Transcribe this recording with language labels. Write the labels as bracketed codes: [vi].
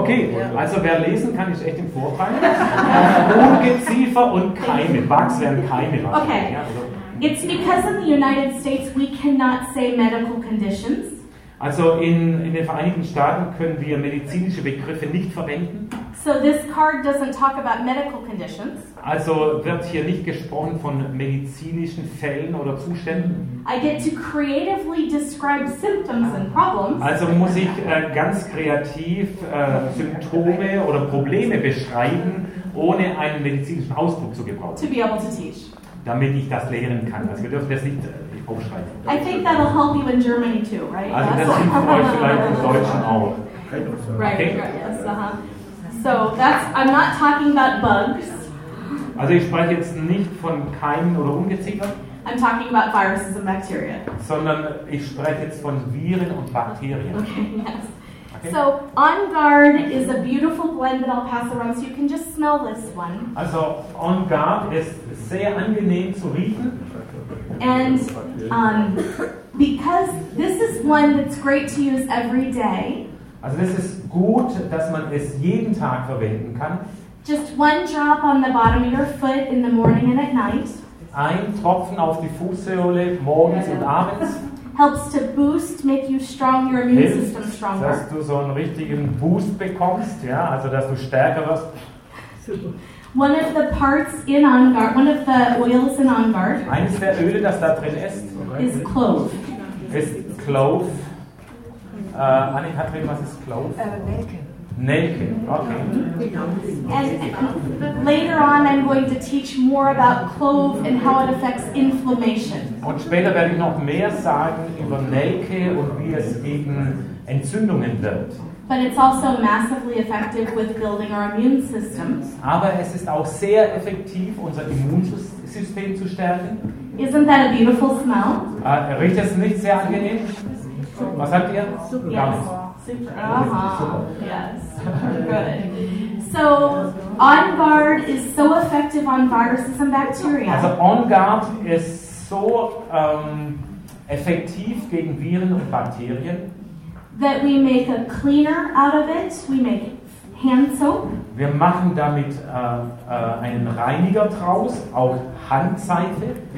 [de] Okay, also wer lesen kann, ist echt im Vorteil. Ungeziefer und Keime. Bugs werden Keime machen. Okay. [en] It's because in the United States we cannot say medical conditions. [de] Also in den Vereinigten Staaten können wir medizinische Begriffe nicht verwenden. [en] So this card doesn't talk about medical conditions. [de] Also wird hier nicht gesprochen von medizinischen Fällen oder Zuständen. [en] I get to creatively describe symptoms and problems. [de] Also muss ich ganz kreativ Symptome oder Probleme beschreiben, ohne einen medizinischen Ausdruck zu gebrauchen. [en] To be able to teach. [de] Damit ich das lehren kann. Also wir dürfen das nicht aufschreiben. [en] I think that'll help you in Germany too, right? [de] Also das hilft euch vielleicht im Deutschen auch. [en] Right, okay. Right, yes, So that's, I'm not talking about bugs. [de] Also ich spreche jetzt nicht von Keimen oder Ungeziefer. [en] I'm talking about viruses and bacteria. [de] Sondern ich spreche jetzt von Viren und Bakterien. [en] Okay, yes. Okay. So On Guard is a beautiful blend that I'll pass around, so you can just smell this one. [de] Also On Guard ist sehr angenehm zu riechen. [en] And because this is one that's great to use every day. [de] Also das ist gut, dass man es jeden Tag verwenden kann. [en] Just one drop on the bottom of your foot in the morning and at night. [de] Ein Tropfen auf die Fußsohle morgens und abends. [en] Helps to boost, make you strong, your immune system stronger. [de] Dass du so einen richtigen Boost bekommst, ja, also dass du stärker wirst. Super. [en] One of the parts in On Guard, one of the oils in On Guard. [de] Eines der Öle, das da drin ist. [en] Is Clove. [de] Ist Clove. Anni, Katrin, was ist Clove? Nelke. Nelke, okay. [en] And later on I'm going to teach more about Clove and how it affects inflammation. [de] Und später werde ich noch mehr sagen über Nelke und wie es gegen Entzündungen wirkt. [en] But it's also massively effective with building our immune system. [de] Aber es ist auch sehr effektiv, unser Immunsystem zu stärken. [en] Isn't that a beautiful smell? [de] Riecht es nicht sehr angenehm? Was sagt ihr? [en] Super. Yes. Super. Yes. Good. So, On Guard is so effective on viruses and bacteria. [de] Also, On Guard ist so effektiv gegen Viren und Bakterien. [en] That we make a cleaner out of it. We make hand soap. [de] Wir machen damit einen Reiniger draus, auch Handseife.